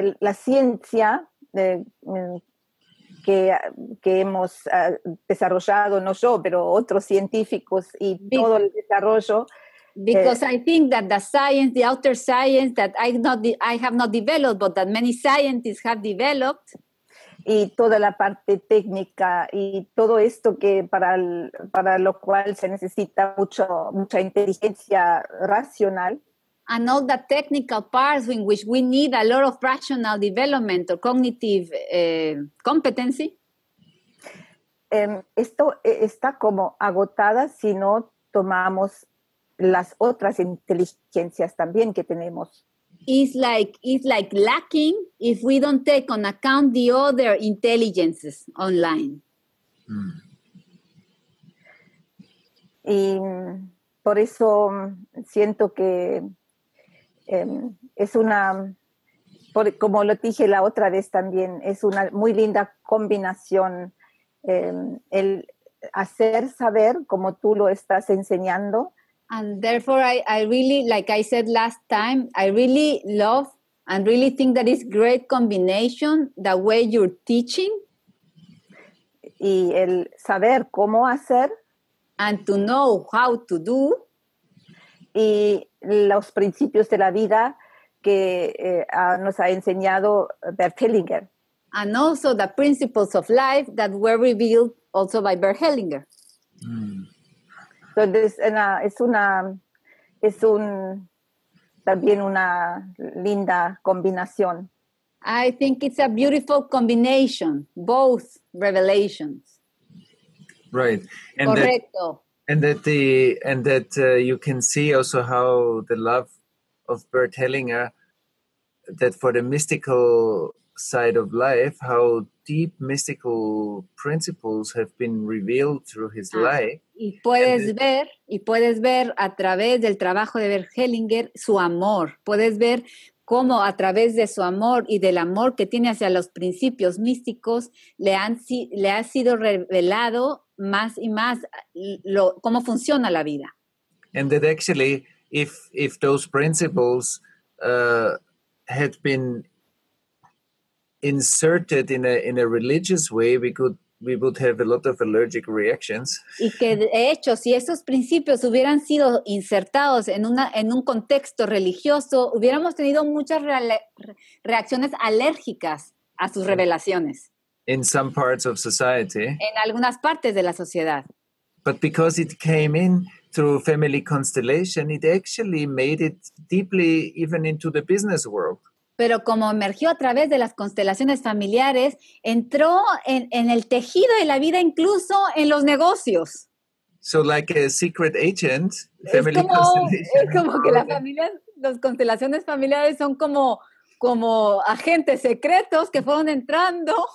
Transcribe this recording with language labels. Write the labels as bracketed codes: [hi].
[es] La ciencia que hemos desarrollado, no yo, pero otros científicos y todo el desarrollo. [en] Because I think that the science, the outer science that I have not developed, but that many scientists have developed. [es] Y toda la parte técnica y todo esto que para lo cual se necesita mucha inteligencia racional. [en] And all the technical parts in which we need a lot of rational development or cognitive competency. [es] Esto está como agotada si no tomamos las otras inteligencias también que tenemos. [en] It's like lacking if we don't take on account the other intelligences online. [es] Y por eso siento que es una, como lo dije la otra vez también, es una muy linda combinación el hacer saber como tú lo estás enseñando. [en] And therefore, I really, like I said last time, I really love and really think that it's great combination, the way you're teaching. [es] Y el saber cómo hacer. [en] And to know how to do. [es] Y los principios de la vida que nos ha enseñado Bert Hellinger. [en] And also the principles of life that were revealed also by Bert Hellinger. [es] Entonces también una linda combinación. [en] I think it's a beautiful combination, both revelations. Right. [es] And correcto. [en] And that you can see also how the love of Bert Hellinger, that for the mystical side of life, how deep mystical principles have been revealed through his life. [es] Y puedes ver a través del trabajo de Bert Hellinger su amor. Puedes ver cómo a través de su amor y del amor que tiene hacia los principios místicos le ha sido revelado más y más cómo funciona la vida. [en] And that actually, if those principles had been inserted in a religious way, we would have a lot of allergic reactions. [es] Y que de hecho, si esos principios hubieran sido insertados en un contexto religioso, hubiéramos tenido muchas reacciones alérgicas a sus revelaciones. [en] In some parts of society. [es] En algunas partes de la sociedad. [en] But because it came in through family constellation, it actually made it deeply even into the business world. [es] Pero como emergió a través de las constelaciones familiares, entró en el tejido de la vida, incluso en los negocios. [en] So like a secret agent, family constellation. [es] Es como que las constelaciones familiares son como agentes secretos que fueron entrando.